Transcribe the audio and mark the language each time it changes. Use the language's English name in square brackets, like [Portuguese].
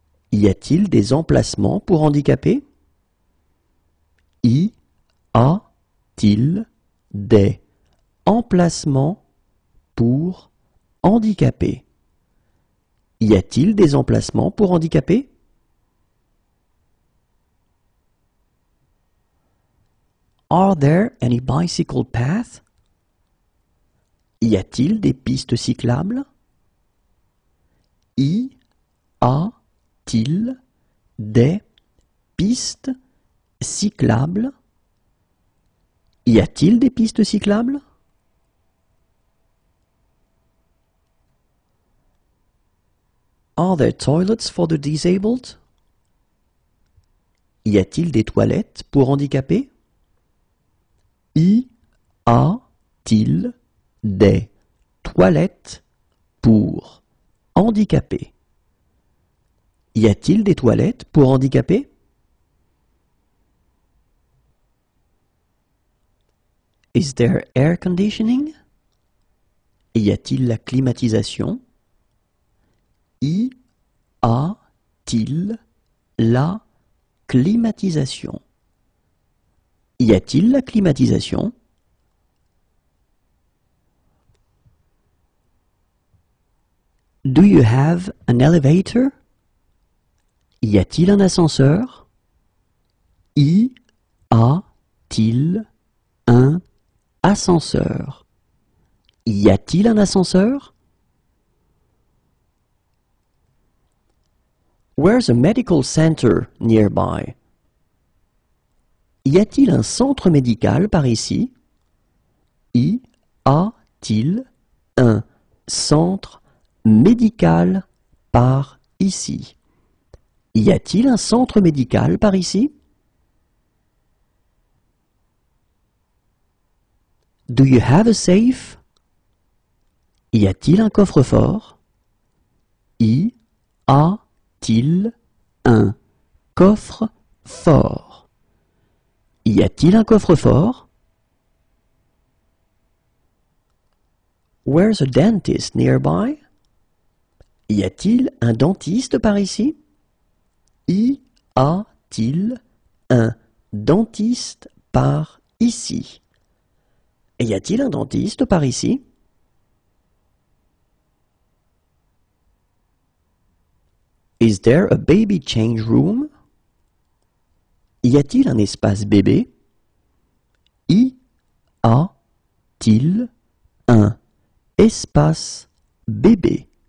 [French] Y a-t-il des emplacements pour handicapés? Y a-t-il des emplacements pour handicapés? Y a-t-il des emplacements pour handicapés? [English] Are there any bicycle paths? [French] Y a-t-il des pistes cyclables? Y a-t-il des pistes cyclables? Y a-t-il des pistes cyclables? [English] Are there toilets for the disabled? [French] Y a-t-il des toilettes pour handicapés? Y a-t-il des toilettes pour handicapés? Y a-t-il des toilettes pour handicapés? [English] Is there air conditioning? [French] Y a-t-il la climatisation? Y a-t-il la climatisation? Y a-t-il la climatisation? [English] Do you have an elevator? [French] Y a-t-il un ascenseur? Y a-t-il un ascenseur? Y a-t-il un ascenseur? [English] Where's a medical center nearby? [French] Y a-t-il un centre médical par ici? Y a-t-il un centre médical par ici? Y a-t-il un centre médical par ici? [English] Do you have a safe? [French] Y a-t-il un coffre-fort? Y a-t-il un coffre-fort? Y a-t-il un coffre-fort? [English] Where's a dentist nearby? [French] Y a-t-il un dentiste par ici? Y a-t-il un dentiste par ici? Y a-t-il un dentiste par ici? [English] Is there a baby change room? [French] Y a-t-il un espace bébé? Y a-t-il un espace bébé?